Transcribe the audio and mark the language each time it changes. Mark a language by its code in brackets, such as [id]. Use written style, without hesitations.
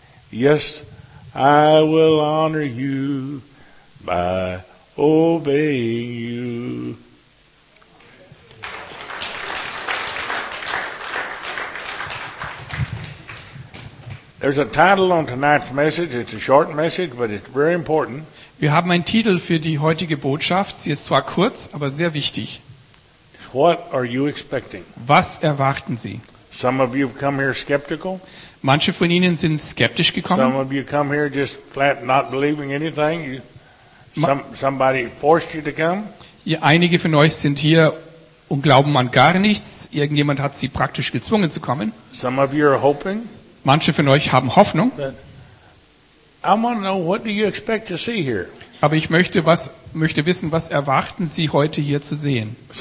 [en] Yes, I will honor you by obeying you. There's a title on tonight's message. It's a short message, but it's very important. [de] Wir haben einen Titel für die heutige Botschaft. Sie ist zwar kurz, aber sehr wichtig. [en] What are you expecting? [de] Was erwarten Sie? [en] Some of you have come here skeptical. [de] Manche von Ihnen sind skeptisch gekommen. [en] Some of you come here just flat not believing anything. Somebody forced you to come. [de] Ja, einige von euch sind hier und glauben an gar nichts. Irgendjemand hat Sie praktisch gezwungen zu kommen. [en] Some of you are hoping. [de] Manche von euch haben Hoffnung. Aber ich möchte wissen, was erwarten Sie heute hier zu sehen?